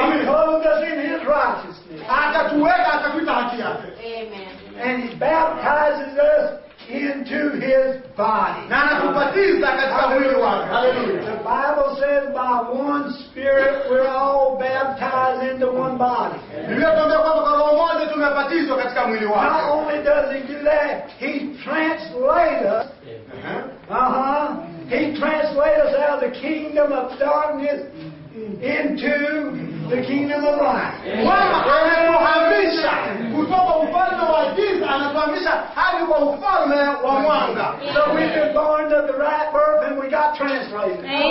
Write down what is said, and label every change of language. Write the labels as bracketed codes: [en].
[en] He clothed us in his righteousness. [sw] Akatuweka akatuita haki yake. Amen. [en] And he baptizes us into his body. [sw] Na anatubatiza katika mwili wake. Hallelujah. [en] The Bible says by one spirit we're all baptized into one body. [sw] Biblia inatuambia kwamba kwa roho moja tumebatizwa katika mwili wake. [en] Not only does he do that, he translates us. He translates us out of the kingdom of darkness into the kingdom of light. [sw] Bwana anatuhamisha kutoka ufalme wa giza anatuhamisha hadi kwa ufalme wa mwanga. [en] So we've been born to the right birth and we got translated.